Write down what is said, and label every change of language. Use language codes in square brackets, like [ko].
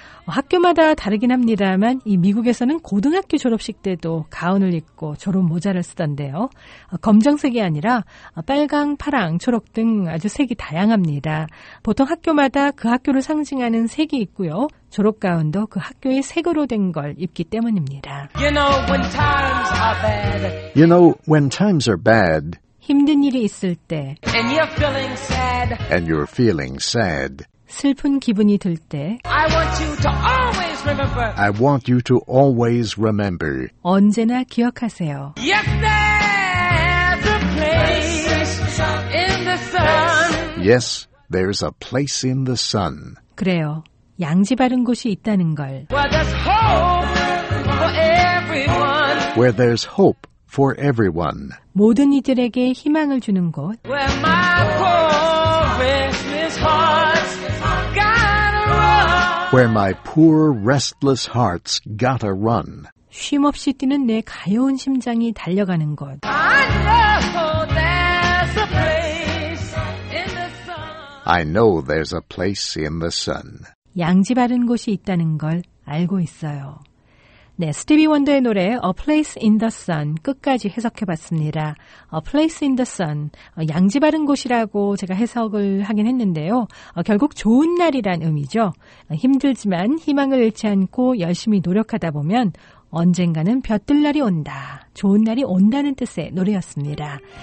[ko] 학교마다 다르긴 합니다만 이 미국에서는 고등학교 졸업식 때도 가운을 입고 졸업모자를 쓰던데요. 검정색이 아니라 빨강, 파랑, 초록 등 아주 색이 다양합니다. 보통 학교마다 그 학교를 상징하는 색이 있고요. 졸업가운도 그 학교의 색으로 된 걸 입기 때문입니다. [en] You know when times are bad. You know when times are bad. [ko] 힘든 일이 있을 때. [en] And you're feeling sad. And you're feeling sad. [ko] 슬픈 기분이 들 때. [en] I want you to always remember. I want you to always remember. [ko] 언제나 기억하세요. [en] Yes, there's a place in the sun. Yes, there's a place in the sun. [ko] 그래요. 양지 바른 곳이 있다는 걸. [en] Where there's hope for everyone. Where there's hope for everyone. [ko] 모든 이들에게 희망을 주는 곳. [en] Where my poor restless heart's gotta run. Where my poor restless heart's gotta run. [ko] 쉼 없이 뛰는 내 가여운 심장이 달려가는 곳. [en] I know there's a place in the sun. I know there's a place in the sun. [ko] 양지 바른 곳이 있다는 걸 알고 있어요. 네, 스티비 원더의 노래 A Place in the Sun 끝까지 해석해봤습니다. A Place in the Sun, 양지 바른 곳이라고 제가 해석을 하긴 했는데요. 결국 좋은 날이란 의미죠. 힘들지만 희망을 잃지 않고 열심히 노력하다 보면 언젠가는 볕들 날이 온다, 좋은 날이 온다는 뜻의 노래였습니다.